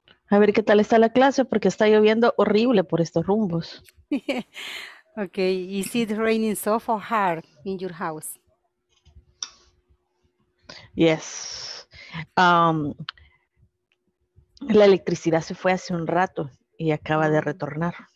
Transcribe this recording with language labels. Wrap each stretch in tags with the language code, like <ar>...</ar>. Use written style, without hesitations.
<es>A ver qué tal está la clase porque está lloviendo horrible por estos rumbos.</es> <en>Okay, is it raining soft or hard in your house? Yes.</en> <es>La electricidad se fue hace un rato y acaba de retornar.</es>